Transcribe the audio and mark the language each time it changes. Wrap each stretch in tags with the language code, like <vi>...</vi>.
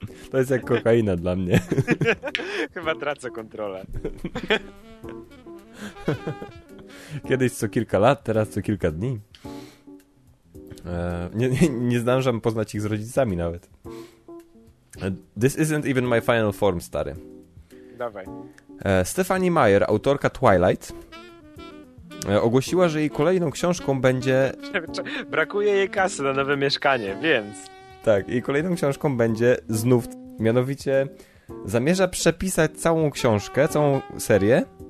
<pl>To jest jak kokaina dla mnie. Chyba tracę kontrolę. Kiedyś co kilka lat, teraz co kilka dni. Nie zdążam poznać ich z rodzicami nawet.</pl> <en>This isn't even my final form,</en> <pl>stary. Dawaj. Stephanie Meyer, autorka Twilight, ogłosiła, że jej kolejną książką będzie... Brakuje jej kasy na nowe mieszkanie, więc... Tak, jej kolejną książką będzie znów... Mianowicie zamierza przepisać całą książkę, całą serię.</pl>